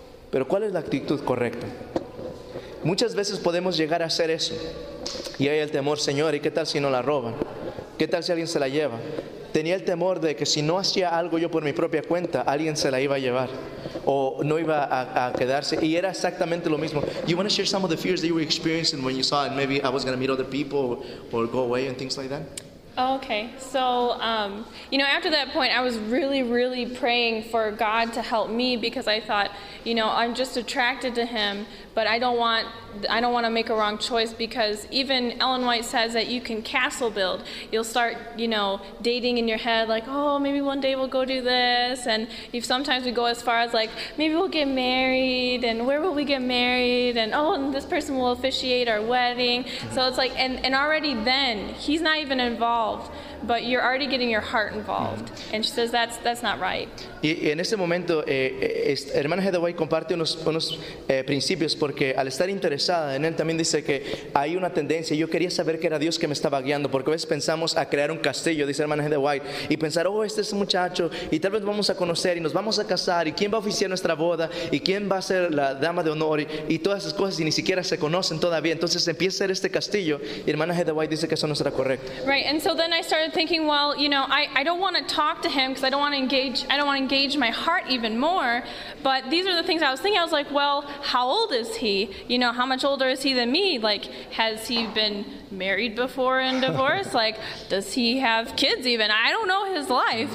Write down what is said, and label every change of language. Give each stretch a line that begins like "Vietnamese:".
Spanish: Pero ¿cuál es la actitud correcta? Muchas veces podemos llegar a hacer eso. Y hay el temor, Señor, ¿y qué tal si no la roban? ¿Qué tal si alguien se la lleva? Tenía el temor de que si no hacía algo yo por mi propia cuenta, alguien se la iba a llevar. O no iba a quedarse. Y era exactamente lo mismo.
English: You want to share some of the fears that you were experiencing when you saw it? Maybe I was going to meet other people or go away and things like that? Okay, so, you know, after that point, I was really, really praying for God to help me because I thought, you know, I'm just attracted to him, but I don't want to make a wrong choice because even Ellen White says that you can castle build. You'll start, you know, dating in your head like, oh, maybe one day we'll go do this. And if sometimes we go as far as like, maybe we'll get married and where will we get married? And oh, and this person will officiate our wedding. So it's like, and already then he's not even involved, but you're already getting your heart involved. And she says, that's not right.
Spanish: Y en ese momento, hermana Heather White comparte unos principios porque al estar interesada en él, también dice que hay una tendencia. Yo quería saber que era Dios que me estaba guiando, porque a veces pensamos a crear un castillo, dice hermana Heather White, y pensar, oh, este es un muchacho, y tal vez vamos a conocer, y nos vamos a casar, y quién va a oficiar nuestra boda, y quién va a ser la dama de honor, y todas esas cosas, y ni siquiera se conocen todavía. Entonces empieza a ser este castillo, y hermana Heather White dice que eso no será correcto.
English: Right, and so then I started started thinking, well, you know, I don't want to talk to him because I don't want to engage my heart even more. But these are the things I was thinking. I was like, well, how old is he? You know, how much older is he than me? Like, has he been married before and divorced? Like, does he have kids even? I don't know his life.